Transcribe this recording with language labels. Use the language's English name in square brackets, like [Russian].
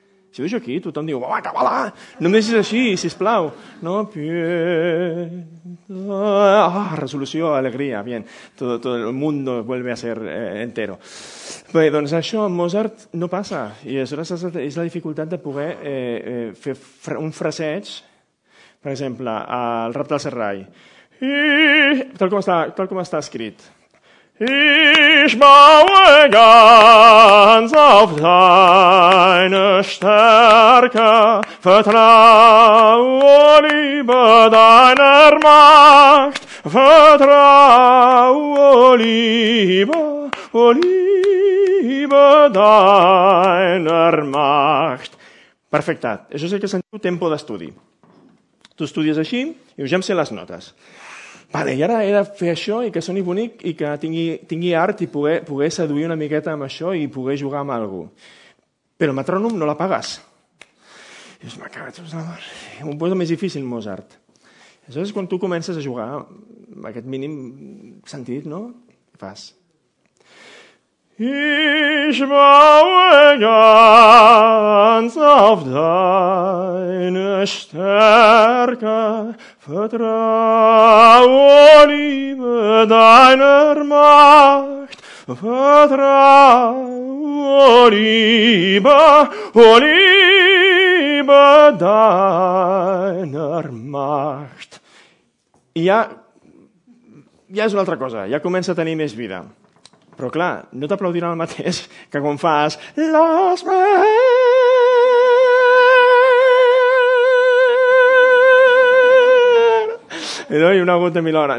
[Catalan] Si ho deixo aquí, tothom diu, va, que va, no em deixis així, sisplau. No, pie... Ah, resolució, alegria, bien. [Spanish] Tot el mundo vuelve a ser entero. [Catalan] Bé, doncs això amb Mozart no passa. I aleshores és la dificultat de poder fer un fraseig, per exemple, al Rap del Serrall. I... Tal com està escrit. [German] Ich baue ganz auf deine Stärke, vertraue, Liebe, deiner Macht, vertraue, Liebe, deiner Macht. [Catalan] Perfecte. Això és el que sentiu tempo d'estudi. Tu estudies així i ja em sé les notes. Vale, i ara he de fer això i que soni bonic i que tingui art i poder seduir una miqueta amb això i poder jugar amb algú. Però el metrònom no l'apagues. I dius, m'ha cagat, la mar. Un poc més difícil, Mozart. Aleshores, quan tu comences a jugar, amb aquest mínim sentit, no? Fas. [German] Ich baue ganz auf deine Stärke, vertraue, Liebe, deiner Macht, vertraue, Liebe, Liebe, deiner Macht. [Catalan] Ja, és una altra cosa, ja comença a tenir més vida. Però clar, no t'aplaudirà el mateix que quan fas Las Vegas. No, i una gota mil hora.